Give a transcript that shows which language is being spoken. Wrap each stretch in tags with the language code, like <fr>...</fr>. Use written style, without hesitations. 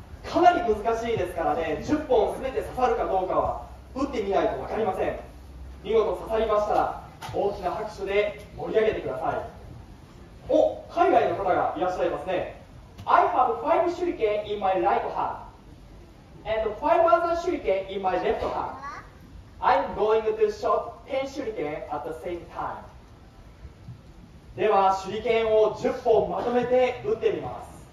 <ja>かなり難しいですからね、10本すべて刺さるかどうかは打ってみないと分かりません。見事刺さりましたら大きな拍手で盛り上げてください。お、海外の方がいらっしゃいますね。</ja> <en>I have 5 shuriken in my right hand and 5 other shuriken in my left hand. I'm going to shoot 10 shuriken at the same time.</en> <ja>では手裏剣を10本まとめて打ってみます。</ja>